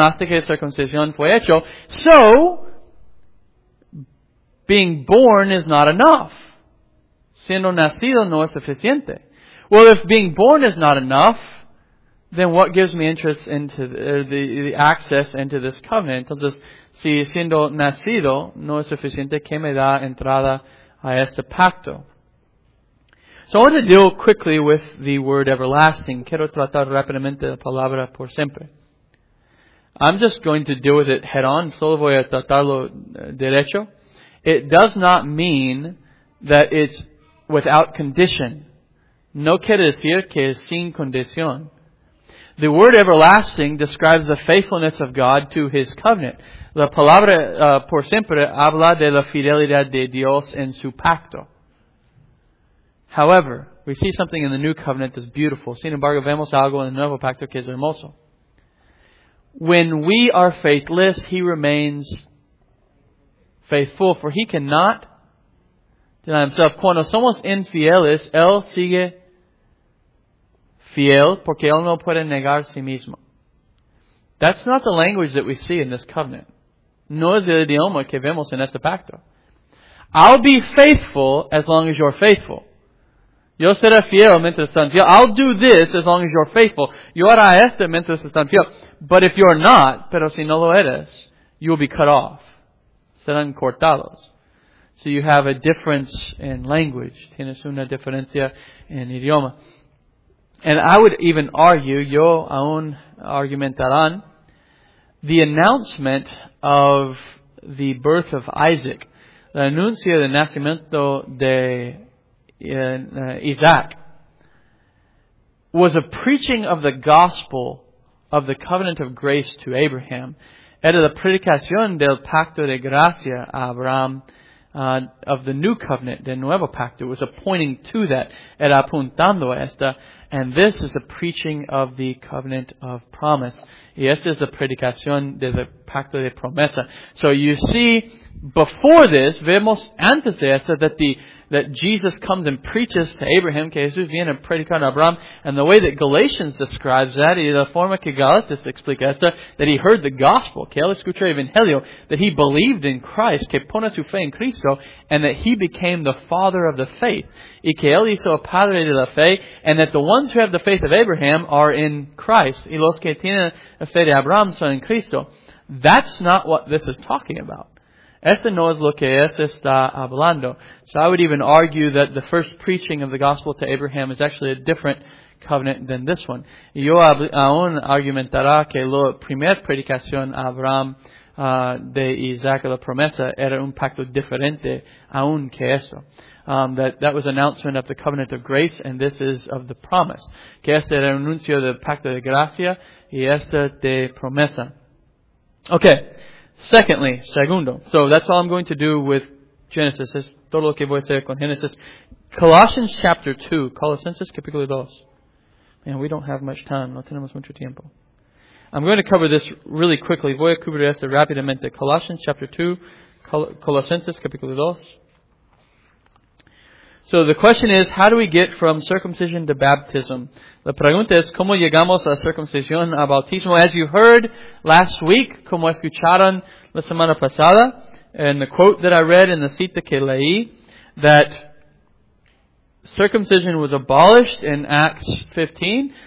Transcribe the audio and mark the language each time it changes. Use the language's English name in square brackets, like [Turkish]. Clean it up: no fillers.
[Spanish] Hasta que circuncisión fue hecho. [English] So, being born is not enough. [Spanish] Siendo nacido no es suficiente. [English] Well, if being born is not enough, then what gives me interest into the access into this covenant? [Spanish] Entonces, si siendo nacido no es suficiente, ¿qué me da entrada a este pacto? [English] So I want to deal quickly with the word everlasting. [Spanish] Quiero tratar rápidamente la palabra por siempre. [English] I'm just going to deal with it head on. [Spanish] Solo voy a tratarlo derecho. [English] It does not mean that it's without condition. [Spanish] No quiere decir que es sin condición. [English] The word everlasting describes the faithfulness of God to His covenant. [Spanish] La palabra por siempre habla de la fidelidad de Dios en su pacto. [English] However, we see something in the New Covenant that's beautiful. [Spanish] Sin embargo, vemos algo en el Nuevo Pacto que es hermoso. [English] When we are faithless, He remains faithful, for He cannot deny Himself. [Spanish] Cuando somos infieles, Él sigue fiel, porque Él no puede negar a sí mismo. [English] That's not the language that we see in this covenant. [Spanish] No es el idioma que vemos en este pacto. [English] I'll be faithful as long as you're faithful. [Spanish] Yo seré fiel mientras están fiel. [English] I'll do this as long as you're faithful. [Spanish] Yo haré esto mientras están fiel. [English] But if you're not, [Spanish] pero si no lo eres, [English] you will be cut off. [Spanish] Serán cortados. [English] So you have a difference in language. [Spanish] Tienes una diferencia en idioma. [English] And I would even argue, [Spanish] yo aún argumentarán, [English] the announcement of the birth of Isaac, [Spanish] la anuncia del nacimiento de Isaac, [English] was a preaching of the gospel of the covenant of grace to Abraham. [Spanish] Era la predicación del pacto de gracia a Abraham, [English] of the new covenant, the [Spanish] nuevo pacto. [English] It was pointing to that. [Spanish] Era apuntando a esta. [English] And this is a preaching of the covenant of promise. [Spanish] Y esta es la predicación de la pacto de promesa. [English] So you see, before this, [Spanish] vemos antes de esta, [English] that Jesus comes and preaches to Abraham, [Spanish] que Jesús viene a predicar a Abraham. [English] And the way that Galatians describes that, [Spanish] y la forma que Galatas explica esta, [English] that he heard the gospel, [Spanish] que él escuchó el evangelio, [English] that he believed in Christ, [Spanish] que pone su fe en Cristo, [English] and that he became the father of the faith. [Spanish] Y que él hizo el padre de la fe, [English] and that the ones who have the faith of Abraham are in Christ. [Spanish] Y los que tienen la fe de Abraham son en Cristo. [English] That's not what this is talking about. [Spanish] Este no es lo que es está hablando. [English] So I would even argue that the first preaching of the gospel to Abraham is actually a different covenant than this one. [Spanish] Yo aún argumentará que la primera predicación a Abraham de Isaac la promesa era un pacto diferente aún que esto. [English] That was announcement of the covenant of grace, and this is of the promise. [Spanish] Que este era anuncio del pacto de gracia y esta de promesa. [English] Okay. Secondly, [Spanish] segundo. [English] So that's all I'm going to do with Genesis. [Spanish] Es todo lo que voy a hacer con Genesis. [English] Colossians chapter 2. [Spanish] Colossenses capítulo 2. [English] Man, we don't have much time. [Spanish] No tenemos mucho tiempo. [English] I'm going to cover this really quickly. [Spanish] Voy a cubrir esto rápidamente. [English] Colossians chapter 2. [Spanish] Colossenses capítulo 2. [English] So the question is, how do we get from circumcision to baptism? [Spanish] La pregunta es, ¿cómo llegamos a circuncisión, a bautismo? [English] As you heard last week, [Spanish] como escucharon la semana pasada, [English] and the quote that I read and the [Spanish] cita que leí, [English] that circumcision was abolished in Acts 15.